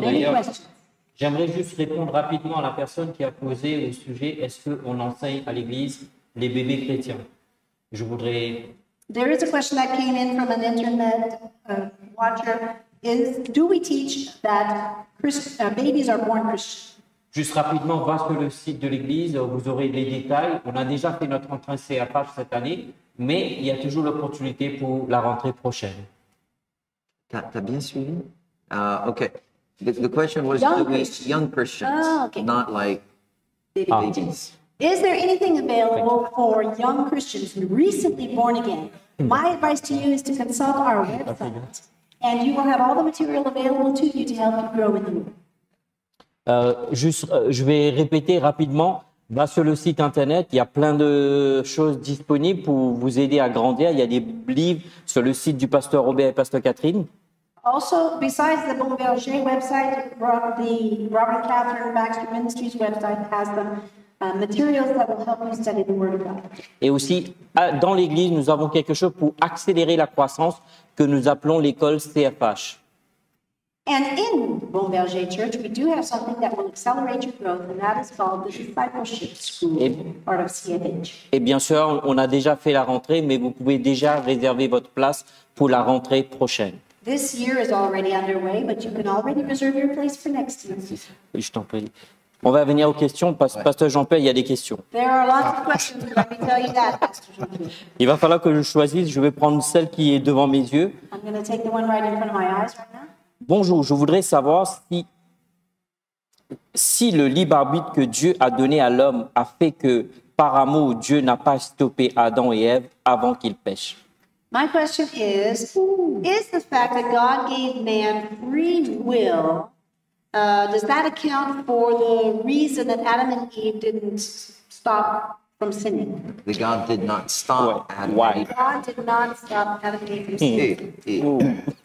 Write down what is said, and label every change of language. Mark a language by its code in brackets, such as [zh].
[fr] D'ailleurs, j'aimerais juste répondre rapidement à la personne qui a posé au sujet « Est-ce qu'on enseigne à l'Église les bébés chrétiens ?» Je voudrais... [en] There is a question that came in from an internet watcher. Do we teach that babies are born Christian? [fr] Juste rapidement, va sur le site de l'Église, vous aurez les détails. On a déjà fait notre entrée CFH cette année, mais il y a toujours l'opportunité pour la rentrée prochaine. T'as bien suivi? OK. [en] The question was young Christians, not like babies. Is there anything available for young Christians recently born again? My advice to you is to consult our website, and you will have all the material available to you to help you grow with you. [fr] Je vais répéter rapidement. Va sur le site internet, il y a plein de choses disponibles pour vous aider à grandir. Il y a des livres sur le site du pasteur Robert et pasteur Catherine. [en] Also, besides the Bon Berger website, the Robert Catherine Baxter Ministries website has the materials that will help you study the Word of God. [fr] Et aussi, dans l'Église, nous avons quelque chose pour accélérer la croissance que nous appelons l'école CFH. [en] And in Bon Berger Church, we do have something that will accelerate your growth, and that is called the Discipleship School, part of CFH. [fr] Et bien sûr, on a déjà fait la rentrée, mais vous pouvez déjà réserver votre place pour la rentrée prochaine. [en] This year is already underway, but you can already reserve your place for next year. [fr] Je t'en prie. On va venir aux questions. Pasteur Jean-Pierre, il y a des questions. [en] There are lots of questions, but let me tell you that, Pastor Jean-Pierre. [fr] Il va falloir que je choisisse. Je vais prendre celle qui est devant mes yeux. [en] I'm going to take the one right in front of my eyes right now. [fr] Bonjour, je voudrais savoir si le libre arbitre que Dieu a donné à l'homme a fait que, par amour, Dieu n'a pas stoppé Adam et Ève avant qu'ils pêchent. [en] My question is the fact that God gave man free will, does that account for the reason that Adam and Eve didn't stop from sinning? The God did not stop Adam and Eve. Why? God did not stop Adam and Eve from sinning.